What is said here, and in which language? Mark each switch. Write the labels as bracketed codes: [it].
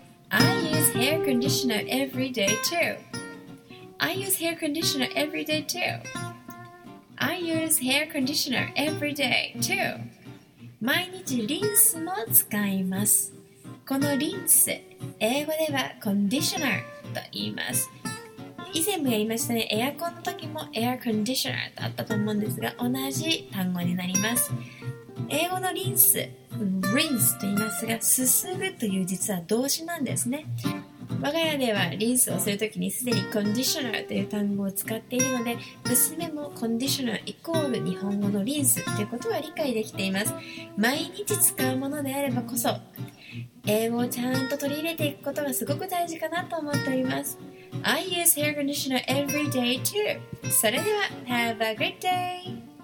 [en] I use hair conditioner every day too. I use hair conditioner every day too. I use hair conditioner every day too. [ja] 毎日リンスも使います。このリンス、英語ではコンディショナーと言います。以前もやりましたね。エアコンの時もエアコンディショナーとあったと思うんですが、同じ単語になります。英語のリンス、リンスと言いますが、すすぐという実は動詞なんですね。我が家ではリンスをするときにすでにコンディショナーという単語を使っているので、娘もコンディショナーイコール日本語のリンスということは理解できています。毎日使うものであればこそ英語をちゃんと取り入れていくことがすごく大事かなと思っております。 [en] I use hair conditioner every day too. [ja] それでは [en] Have a great day.